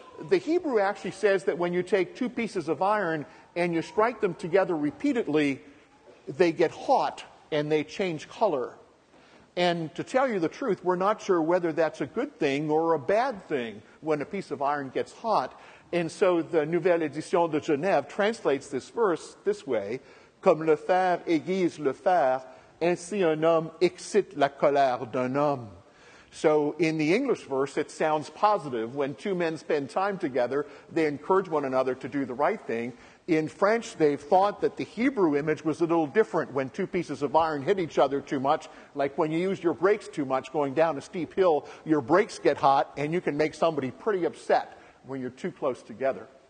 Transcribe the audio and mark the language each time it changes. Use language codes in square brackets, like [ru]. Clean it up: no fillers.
[en] The Hebrew actually says that when you take two pieces of iron and you strike them together repeatedly, they get hot and they change color. And to tell you the truth, we're not sure whether that's a good thing or a bad thing when a piece of iron gets hot. And so the Nouvelle Édition de Genève translates this verse this way: [fr] comme le fer aiguise le fer, ainsi un homme excite la colère d'un homme. [en] So in the English verse, it sounds positive. When two men spend time together, they encourage one another to do the right thing. In French, they thought that the Hebrew image was a little different when two pieces of iron hit each other too much. Like when you use your brakes too much going down a steep hill, your brakes get hot and you can make somebody pretty upset when you're too close together.